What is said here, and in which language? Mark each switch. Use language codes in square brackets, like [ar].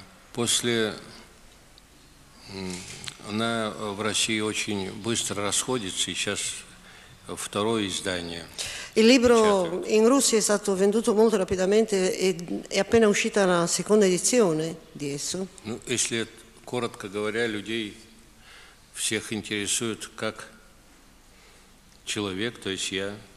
[ru] После она в России очень быстро расходится, и сейчас второе издание. [it] Il libro in Russia è stato venduto molto rapidamente ed è appena uscita la seconda edizione di esso. [ru] Ну, если коротко говоря, людей всех интересует как человек, то есть я.